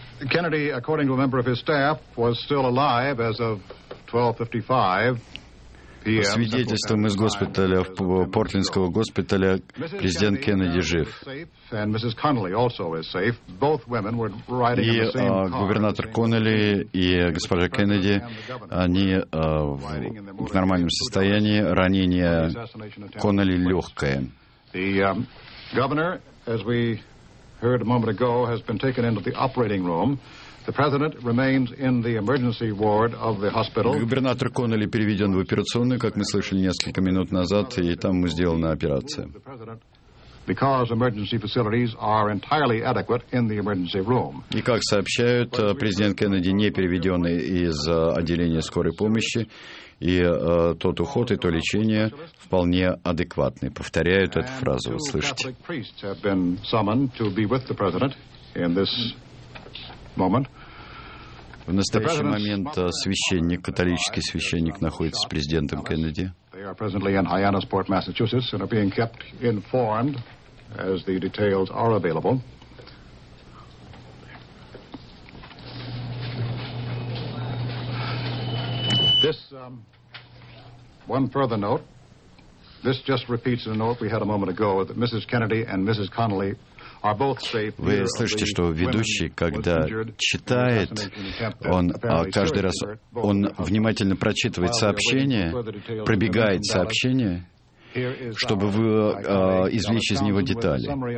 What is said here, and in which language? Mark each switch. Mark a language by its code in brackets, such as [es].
[en] Kennedy, according to a member of his staff, was still alive as of 12:55. [ru] По свидетельствам из госпиталя, Портлендского госпиталя, президент Кеннеди жив. И губернатор Коннелли и госпожа Кеннеди, они в нормальном состоянии. Ранение Коннелли легкое. [en] Governor, as we heard a moment ago, has been taken into the operating room. The president remains in the emergency ward of the hospital. [ru] Губернатор Коннелли переведен в операционную, как мы слышали несколько минут назад, и там ему сделана операция. [en] Because emergency facilities are entirely adequate in the emergency room. [ru] И как сообщают, президент Кеннеди не переведен из отделения скорой помощи, и тот уход и то лечение вполне адекватный. Повторяют эту фразу, вот слышите. [en] Catholic priests have been summoned to be with the president in this. [ru] В настоящий момент священник, католический священник, находится с президентом Кеннеди. [en] They are presently in Hyannisport, Massachusetts, and are being kept informed as the details are available. This one further note. This just repeats a note we had a moment ago that Mrs. Kennedy and Mrs. Connolly. [ru] Вы слышите, что ведущий, когда читает, он каждый раз он внимательно прочитывает сообщение, пробегает сообщение, чтобы извлечь из него детали.